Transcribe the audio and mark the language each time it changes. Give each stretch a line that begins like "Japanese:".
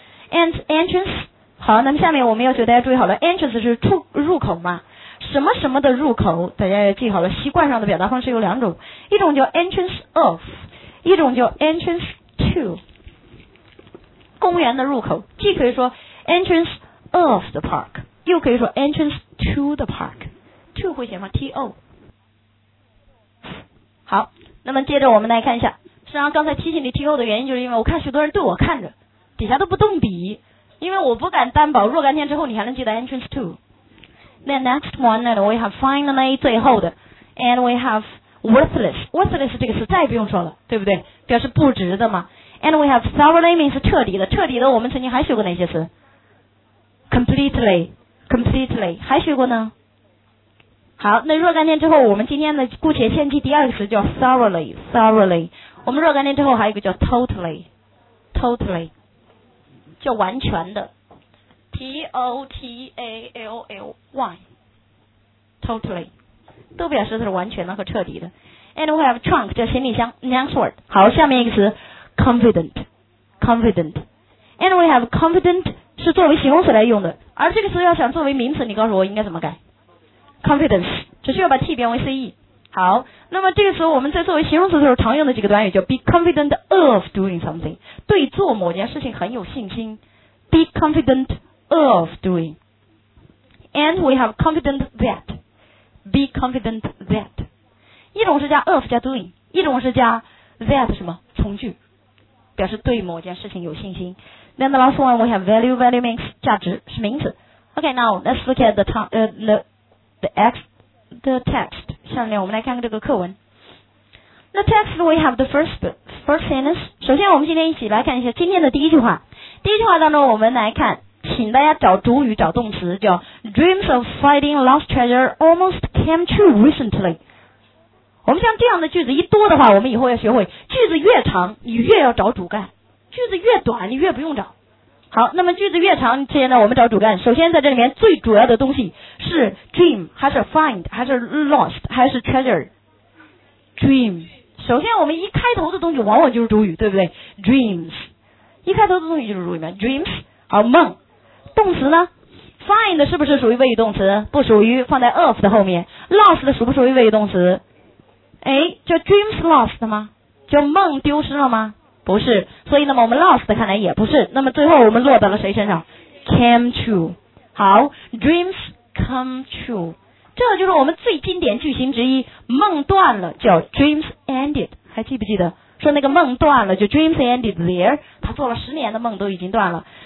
Chinese: entrance， 好，那么下面我们要求大家注意好了， entrance 是出入口嘛，什么什么的入口，大家也记好了，习惯上的表达方式有两种，一种叫 entrance of， 一种叫 entrance to， 公园的入口，既可以说
English: entrance of the park，
Chinese: 又可以说
English: entrance to the park，
Chinese: to 会写吗？
English: to。
Chinese: 好，那么接着我们来看一下，实际上刚才提醒你 to 的原因，就是因为我看许多人对我看着，底下都不动笔，因为我不敢担保若干天之后你还能记得 entrance to。
English: The next one that we have finally
Chinese: 最后的
English: and we have worthless，
Chinese: worthless 这个词再也不用说了，对不对，表示不值的嘛。
English: and we have thoroughly means
Chinese: 彻底的，彻底的我们曾经还学过哪些词， completely， completely 还学过呢，好，那若干天之后我们今天的姑且先记第二个词叫 thoroughly， thoroughly， 我们若干天之后还有一个叫 totally， totally 叫完全的，T-O-T-A-L-L-Y，totally， 都表示的是完全的和彻底的。
English: And we have trunk，
Chinese: 叫行李箱。 Next word， 好，下面一个词 ，confident，confident。
English: And we have confident
Chinese: 是作为形容词来用的，而这个词要想作为名词，你告诉我应该怎么改 ？Confidence， 只需要把 T 变为 C-E。好，那么这个词我们在作为形容词的时候常用的几个短语叫
English: be confident of doing something，
Chinese: 对做某件事情很有信心 ，be confident。
English: Of doing, and we have confident that. Be confident that.
Chinese: 一种是加 of 加 doing， 一种是加 that 什么从句，表示对某件事情有信心。
English: Then the last one we have value. Value means
Chinese: 价值，是名词。
English: Okay, now let's look at the text.
Chinese: 下面我们来看看这个课文。
English: The text we have the first sentence.
Chinese: 首先我们今天一起来看一下今天的第一句话。第一句话当中我们来看。请大家找主语找动词，叫
English: Dreams of finding lost treasure almost came true recently。
Chinese: 我们像这样的句子一多的话，我们以后要学会句子越长你越要找主干，句子越短你越不用找。好，那么句子越长现在我们找主干，首先在这里面最主要的东西是 dream 还是 find 还是 lost 还是 treasure。 dream 首先我们一开头的东西往往就是主语，对不对？ dreams 一开头的东西就是主语， dreams。好，梦动词呢 ？Find 是不是属于谓语动词？不属于，放在 of 的后面。Lost 的属不属于谓语动词？哎，叫 dreams lost 吗？叫梦丢失了吗？不是。所以那么我们 lost 看来也不是。那么最后我们落到了谁身上 ？Came true。
English: 好 ，dreams come true。
Chinese: 这就是我们最经典句型之一。梦断了叫
English: dreams ended。
Chinese: 还记不记得？说那个梦断了就
English: dreams ended there。
Chinese: 他做了十年的梦都已经断了。